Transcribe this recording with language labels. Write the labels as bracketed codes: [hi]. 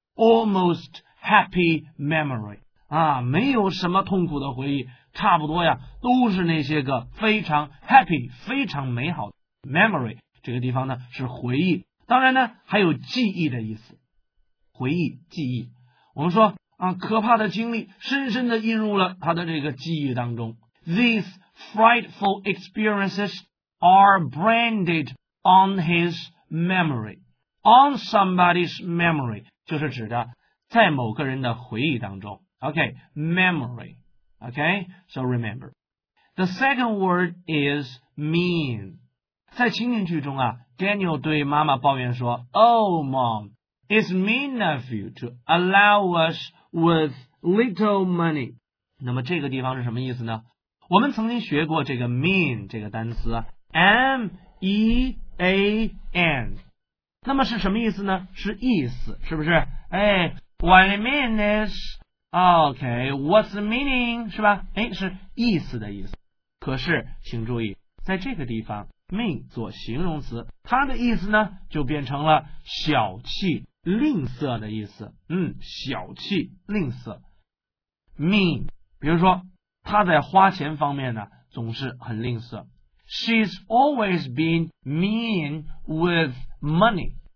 [en] Almost happy memory. [zh] 啊，没有什么痛苦的回忆，差不多呀，都是那些个非常 happy, 非常美好的 memory。这个地方呢是回忆，当然呢还有记忆的意思，回忆记忆。我们说啊，可怕的经历深深的印入了他的这个记忆当中。 [en] These frightful experiences are branded on his memory. On somebody's memory [zh] 就是指的在某个人的回忆当中。 [en] OK, memory. OK, so remember. The second word is mean. [zh] 在情景剧中啊， [en] Daniel [zh] 对妈妈抱怨说， [en] Oh mom, it's mean of you to allow us with little money. [zh] 那么这个地方是什么意思呢？我们曾经学过这个 mean 这个单词， M-E-A-N。那么是什么意思呢？是意思，是不是？ [en] 哎， what I mean is OK, what's the meaning, 是吧？ [zh] 哎，是意思的意思。可是请注意，在这个地方 mean 做形容词，它的意思呢就变成了小气吝啬的意思。嗯，小气吝啬 mean。比如说他在花钱方面呢总是很吝啬， [en] She's always been mean with money。